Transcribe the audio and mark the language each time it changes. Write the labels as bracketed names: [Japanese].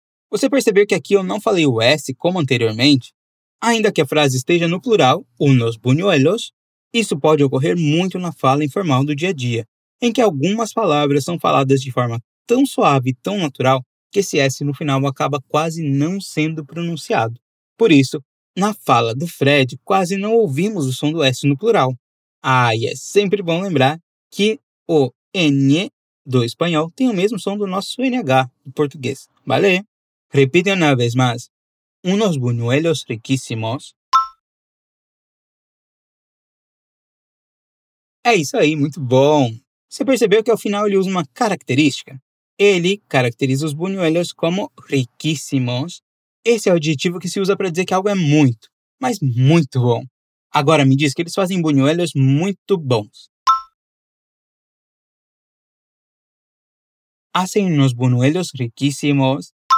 [Portuguese] Você percebeu que aqui eu não falei o S como anteriormente? Ainda que a frase esteja no plural, [Spanish] unos buñuelos, [Portuguese] isso pode ocorrer muito na fala informal do dia a dia, em que algumas palavras são faladas de forma tão suave e tão natural que esse S no final acaba quase não sendo pronunciado. Por isso, na fala do Fred, quase não ouvimos o som do S no plural. Ah, e é sempre bom lembrar que o N do espanhol tem o mesmo som do nosso NH do português. [Spanish] Vale? Repite una vez más. Unos buñuelos riquísimos. [Portuguese] É isso aí, muito bom. Você percebeu que ao final ele usa uma característica? Ele caracteriza os buñuelos como riquíssimos. Esse é o adjetivo que se usa para dizer que algo é muito, mas muito bom. Agora me diz que eles fazem buñuelos muito bons. [Spanish] Hacen unos buñuelos riquísimos.